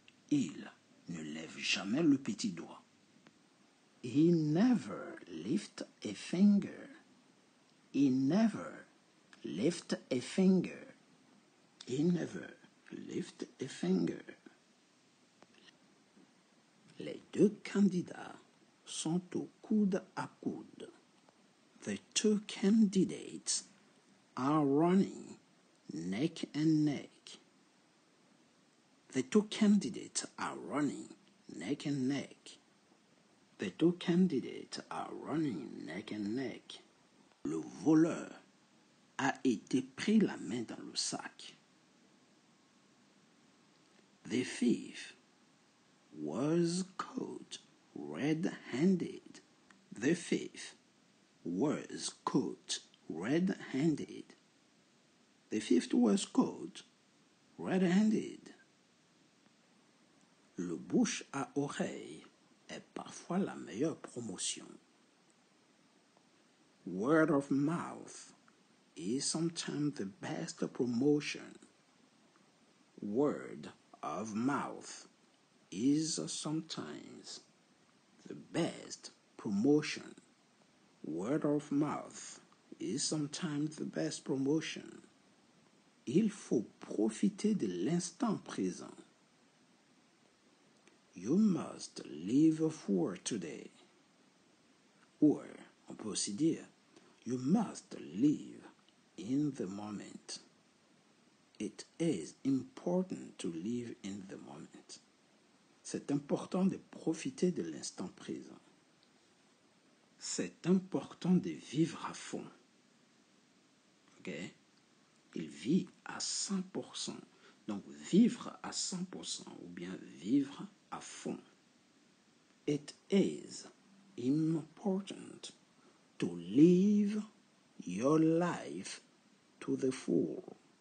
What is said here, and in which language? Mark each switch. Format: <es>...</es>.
<fr>Il ne lève jamais le petit doigt.</fr> <en>He never lift a finger. He never lift a finger. He never lift a finger.</en> <fr>Les deux candidats sont au coude à coude.</fr> <en>The two candidates are running neck and neck. The two candidates are running neck and neck. The two candidates are running neck and neck.</en> <fr>Le voleur a été pris la main dans le sac.</fr> <en>The thief was caught red-handed. The thief was caught red-handed. The thief was caught red-handed.</en> <fr>Le bouche à oreille est parfois la meilleure promotion.</fr> <en>Word of mouth is sometimes the best promotion. Word of mouth is sometimes the best promotion. Word of mouth is sometimes the best promotion.</en> <fr>il faut profiter de l'instant présent.</fr> <en>You must live for today. Or,</en> <fr>on peut aussi dire,</fr> <en>you must live in the moment. It is important to live in the moment.</en> <fr>C'est important de profiter de l'instant présent. C'est important de vivre à fond. Ok? Il vit à 100%. Donc, vivre à 100% ou bien vivre à fond.</fr> <en>It is important to live your life to the full.</en>